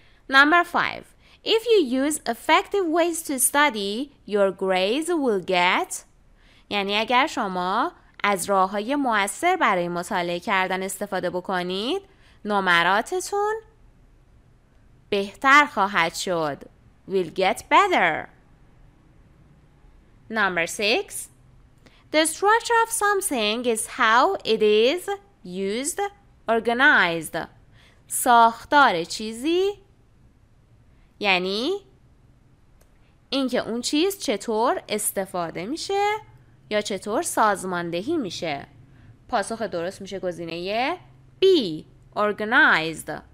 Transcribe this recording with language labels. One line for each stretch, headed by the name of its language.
English: Number 5. If you use effective ways to study, your grades will get...
Persian: یعنی اگر شما از راه‌های مؤثر برای مطالعه کردن استفاده بکنید، نمراتتون بهتر خواهد شد.
English: Will get better. Number 6. The structure of something is how it is used, organized.
Persian: ساختار چیزی یعنی اینکه اون چیز چطور استفاده میشه یا چطور سازماندهی میشه. پاسخ درست میشه گزینه B، organized.